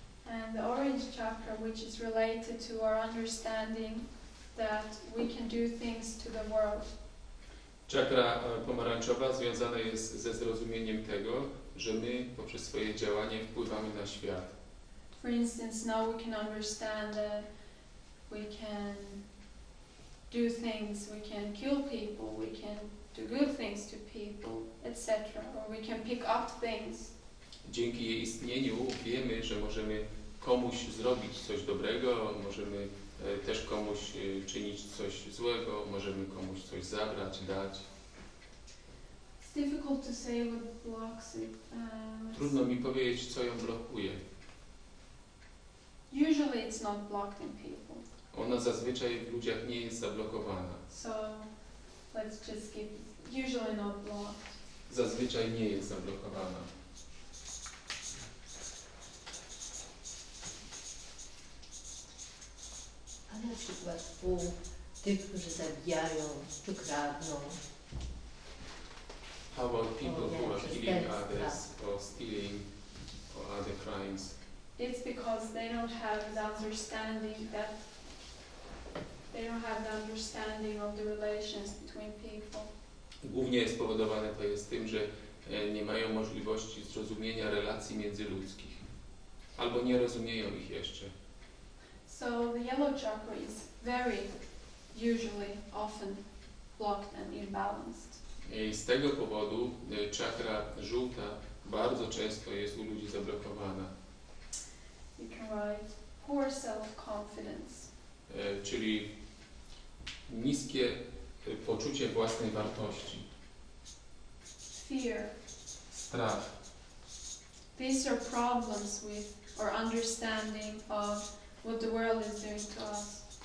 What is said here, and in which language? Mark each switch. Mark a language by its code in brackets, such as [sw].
[en] And the orange chakra, which is related to our understanding that we can do things to the world. [pl] Czakra pomarańczowa związana jest ze zrozumieniem tego, że my poprzez swoje działanie wpływamy na świat. [en] For instance, now we can understand that we can do things, we can kill people, we can do good things to people, etc. Or we can pick up things. [pl] Dzięki jej istnieniu wiemy, że możemy komuś zrobić coś dobrego, możemy też komuś czynić coś złego, możemy komuś coś zabrać, dać. [en] It's difficult to say what blocks it. [pl] Trudno mi powiedzieć, co ją blokuje. [en] Usually it's not blocked in people. [pl] Ona zazwyczaj w ludziach nie jest zablokowana. [en] So let's just keep usually not blocked. [pl] Zazwyczaj nie jest zablokowana. A na przykład u tych, którzy zabijają, czy kradną. [en] How about people who are killing others or stealing or other crimes? It's because they don't have the understanding that they don't have the understanding of the relations between people. [pl] Głównie jest spowodowane to jest tym, że nie mają możliwości zrozumienia relacji międzyludzkich. Albo nie rozumieją ich jeszcze. [en] So the yellow chakra is very usually often blocked and imbalanced. [pl] I z tego powodu czakra żółta bardzo często jest u ludzi zablokowana. [en] You can write poor self-confidence. [pl] Czyli niskie poczucie własnej wartości. [en] Fear. [pl] Strach. [en] These are problems with our understanding of what the world is doing to us.